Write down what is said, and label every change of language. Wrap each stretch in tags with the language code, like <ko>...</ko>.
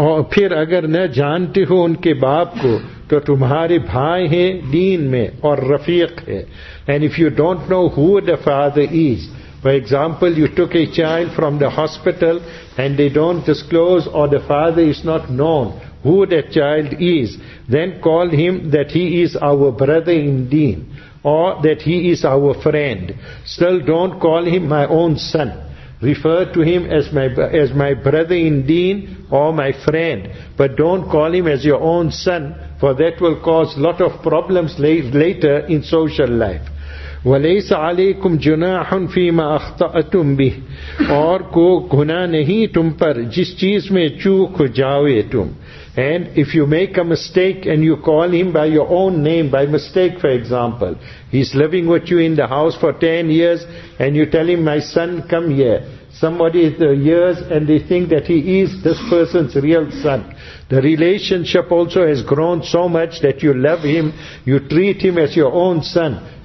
<ur>پھر اگر نہ جانتے ہو ان کے باپ کو تو تمہارے بھائی ہیں دین میں اور رفیق ہیں.</ur> <en>And if you don't know who the father is, for example, you took a child from the hospital and they don't disclose or the father is not known who that child is, then call him that he is our brother in deen, or that he is our friend. Still don't call him my own son. Refer to him as my brother in deen or my friend. But don't call him as your own son, for that will cause lot of problems later in social life.</en> <ar>وَلَيْسَ عَلَيْكُمْ جُنَاحٌ فِي مَا أَخْطَأْتُمْ بِهِ.</ar> <ur>اور کو گناہ نہیں تم پر جس چیز میں چوک جاؤے تم.</ur> <en>And if you make a mistake and you call him by your own name, by mistake, for example, he's living with you in the house for 10 years and you tell him, my son, come here. Somebody is the years and they think that he is this person's real son. The relationship also has grown so much that you love him, you treat him as your own son.</en>